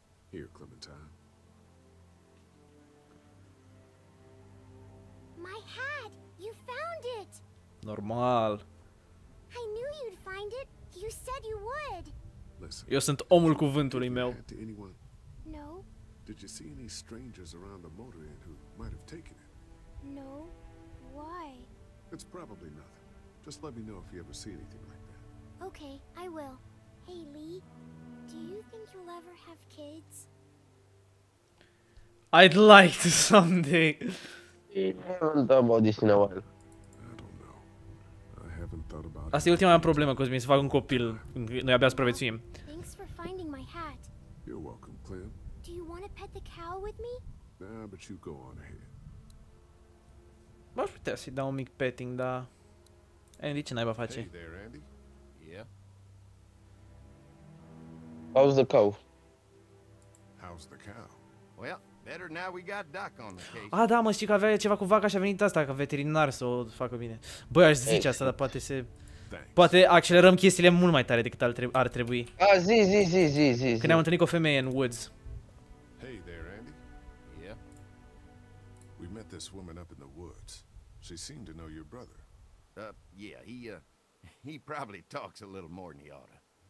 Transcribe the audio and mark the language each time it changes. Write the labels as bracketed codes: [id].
[en] Here, Clementine. My hat! You found it! [ro] Normal. [en] I knew you'd find it. You said you would. Listen. [ro] Eu sunt omul cuvântului meu. [en] No. Did you see any strangers around the motor inn who might have taken it? No. Why? It's probably nothing. Just let me know if you ever see anything like that. Okay, I will. Hey, Lee, do you think you'll ever have kids? I'd like to someday. I haven't thought about this in a while. I don't know. I haven't thought about [ro] it. Asta e ultima mea problemă, Cosmin, să fac un copil. Noi abia supraviețuim. [en] Thanks for finding my hat. You're welcome, Clem. Do you want to pet the cow with me? Nah, but you go on ahead. [ro] M-aș putea să-i dau un mic petting, dar... Andy, ce naiba face? [en] Hey there, Andy. Yeah? How's the cow? How's the cow? Well, better now we got Doc on the case. [ro] Ah, da, mă, știi că avea ceva cu vaca și a venit asta, ca veterinar să o facă bine. Băi, aș zice asta, dar poate se... Thanks. Poate accelerăm chestiile mult mai tare decât ar trebui. Ah, zi. Când ne-am întâlnit cu o femeie în woods. [en] Hey there, Andy. Yeah? We met this woman up in the woods. She seemed to know your brother. Yeah, he probably talks a little more than he oughta.